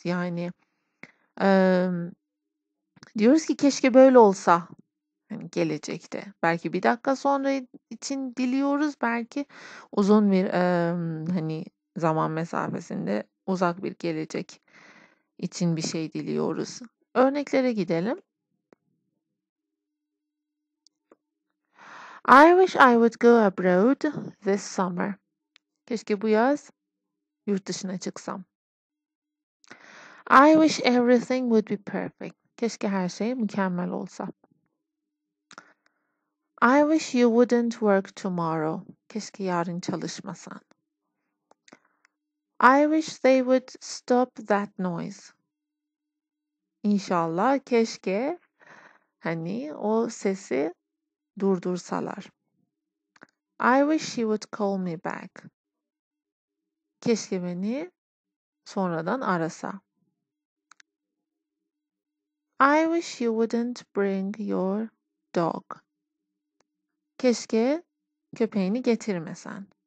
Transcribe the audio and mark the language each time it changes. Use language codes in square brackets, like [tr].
[tr] Yani diyoruz ki keşke böyle olsa yani gelecekte. Belki bir dakika sonra için diliyoruz. Belki uzun bir hani zaman mesafesinde uzak bir gelecek için bir şey diliyoruz. Örneklere gidelim. [en] I wish I would go abroad this summer. [tr] Keşke bu yaz yurt dışına çıksam. [en] I wish everything would be perfect. [tr] Keşke her şey mükemmel olsa. [en] I wish you wouldn't work tomorrow. [tr] Keşke yarın çalışmasan. [en] I wish they would stop that noise. [tr] İnşallah, keşke hani o sesi durdursalar. [en] I wish you would call me back. [tr] Keşke beni sonradan arasa. [en] I wish you wouldn't bring your dog. [tr] Keşke köpeğini getirmesen.